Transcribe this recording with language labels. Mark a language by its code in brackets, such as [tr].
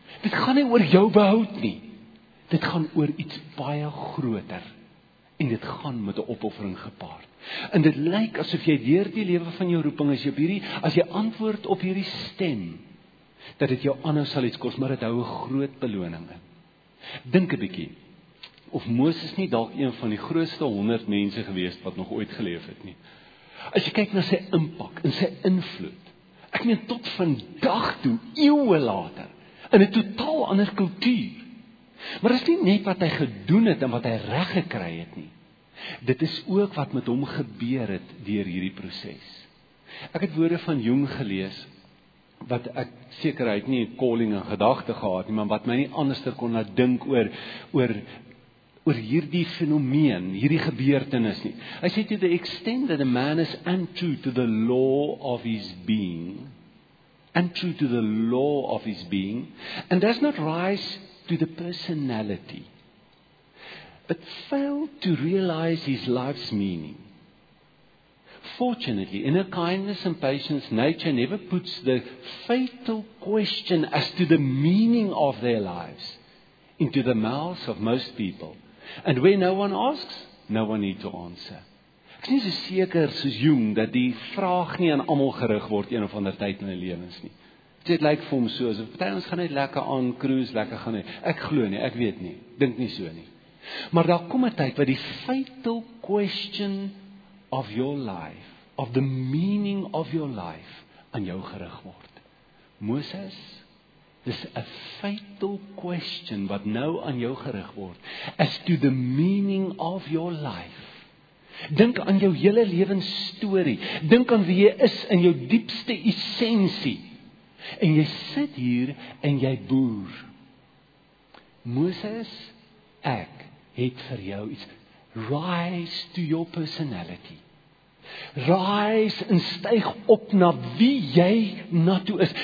[af] Dit gaan nie oor jou behoud nie. Dit gaan oor iets baie groter. En dit gaan met 'n opoffering gepaard. En dit lyk asof jy deur die lewe van jou roeping is, as jy antwoord op hierdie stem, dat dit jou anders sal iets kos, maar dit hou 'n groot beloning in. Dink 'n bietjie. Of Moses nie dalk een van die grootste 100 mense gewees wat nog ooit geleef het nie. As jy kyk na sy impak en sy invloed, ek meen tot vandag toe, eeue later, in 'n totaal ander kultuur. Maar dit is nie net wat hy gedoen het en wat hy reg gekry het nie. Dit is ook wat met hom gebeur het deur hierdie proses. Ek het woorde van Jung gelees, wat ek sekerheid nie 'n calling in gedagte gehad nie, maar wat my nie anderster kon laat dink oor hierdie fenomeen, hierdie gebeurtenis nie. Hy sê, [en] to the extent that a man is untrue to the law of his being, untrue to the law of his being, and does not rise to the personality, but fail to realize his life's meaning. Fortunately, in her kindness and patience, nature never puts the fatal question as to the meaning of their lives into the mouths of most people. And where no one asks, no one need to answer. [af] Ek is nie so seker soos Jung dat die vraag nie aan almal gerig word een of ander tyd in hulle lewens nie. Dit lyk vir hom so, as party ons gaan net lekker aan cruise, lekker gaan nie. Ek glo nie, ek weet nie, dink nie so nie. Maar daar kom 'n tyd wat die [en] fatal question of your life, [af] of the meaning of your life, aan jou gerig word. Moses, dis 'n [en] fatal question [af] wat nou aan jou gerig word, [en] as to the meaning of your life. [af] Dink aan jou hele lewensstorie. Dink aan wie jy is in jou diepste essensie. En jy sit hier en jy boer. Moses, ek het vir jou iets. [en] Rise to your personality. [af] Rise en styg op na wie jy na toe is.